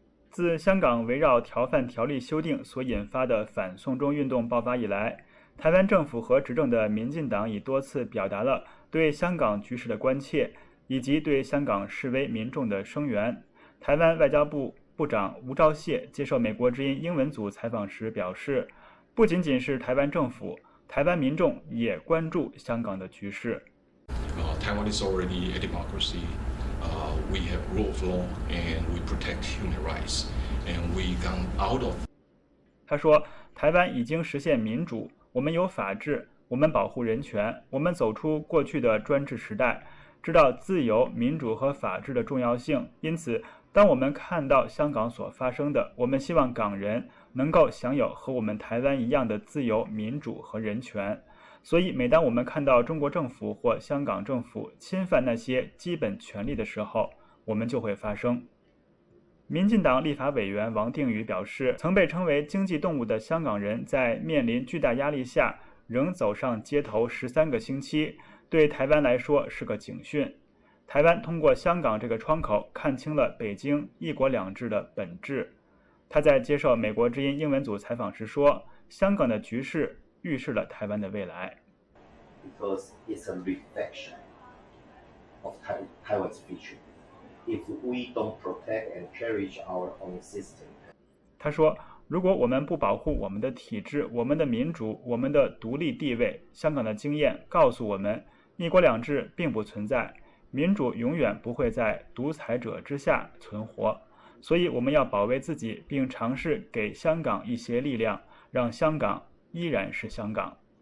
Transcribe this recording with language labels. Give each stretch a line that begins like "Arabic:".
Chinese: 自香港围绕逃犯条例修订所引发的反送中运动爆发以来，台湾政府和执政的民进党已多次表达了对香港局势的关切，以及对香港示威民众的声援。台湾外交部部长吴钊燮接受美国之音英文组采访时表示，不仅仅是台湾政府，台湾民众也关注香港的局势。
English: Taiwan is already a democracy. We have rule of law and we protect human rights. And we come out of.
Chinese: 他说，台湾已经实现民主，我们有法治，我们保护人权，我们走出过去的专制时代，知道自由、民主和法治的重要性。因此，当我们看到香港所发生的，我们希望港人能够享有和我们台湾一样的自由、民主和人权。所以每当我们看到中国政府或香港政府侵犯那些基本权利的时候，我们就会发声。民进党立法委员王定宇表示，曾被称为经济动物的香港人在面临巨大压力下仍走上街头13个星期，对台湾来说是个警讯。台湾通过香港这个窗口看清了北京一国两制的本质。他在接受美国之音英文组采访时说，香港的局势预示了台湾的未来。
English: Because it's a reflection of Taiwan's future. If we don't protect and cherish our own system.
Chinese: 他说，如果我们不保护我们的体制、我们的民主、我们的独立地位，香港的经验告诉我们，一国两制并不存在，民主永远不会在独裁者之下存活。所以我们要保卫自己，并尝试给香港一些力量，让香港依然是香港。